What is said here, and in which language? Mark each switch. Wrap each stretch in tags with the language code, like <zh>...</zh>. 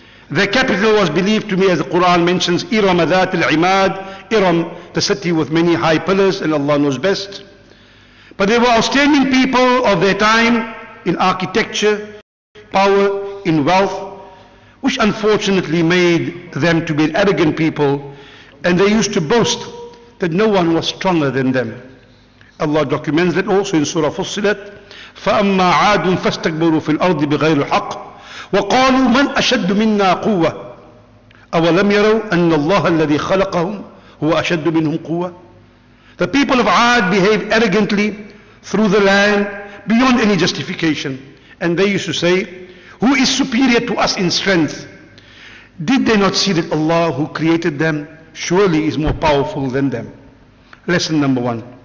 <en>Their capital was believed to be, as the Quran mentions, Iram Adat al-Imad, Iram, the city with many high pillars, and Allah knows best. But they were outstanding people of their time in architecture, power, in wealth, which unfortunately made them to be an arrogant people, and they used to boast that no one was stronger than them. Allah documents that also in Surah Fussilat,</en> <ar>فَأَمَّا عَادٌ فَاسْتَكْبَرُوا فِي الْأَرْضِ بِغَيْرِ الْحَقِّ وَقَالُوا مَنْ أَشَدُّ مِنَّا قُوَّةٌ أَوَلَمْ يَرَوْا أَنَّ اللَّهَ الَّذِي خَلَقَهُمْ هُوَ أَشَدُّ مِنْهُمْ قُوَّةٌ.</ar> <en>The people of Ad behaved arrogantly through the land beyond any justification. And they used to say, who is superior to us in strength? Did they not see that Allah who created them surely is more powerful than them? Lesson number one.</en>